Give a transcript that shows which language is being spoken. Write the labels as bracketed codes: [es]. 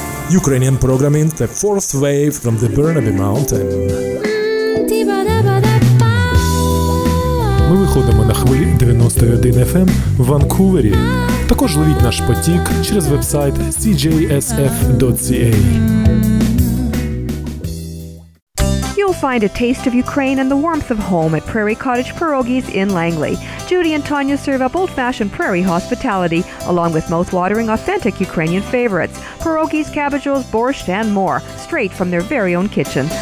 [en] Ukrainian programming – the fourth wave from the Burnaby Mountain. [uk] Ми виходимо на хвилі 91 FM в Ванкувері. Також ловіть наш потік через вебсайт cjsf.ca. [en] Find a taste of Ukraine and the warmth of home at Prairie Cottage Pierogies in Langley. Judy and Tanya serve up old-fashioned prairie hospitality, along with mouth-watering authentic Ukrainian favorites. Pierogies, cabbage rolls, borscht, and more, straight from their very own kitchen.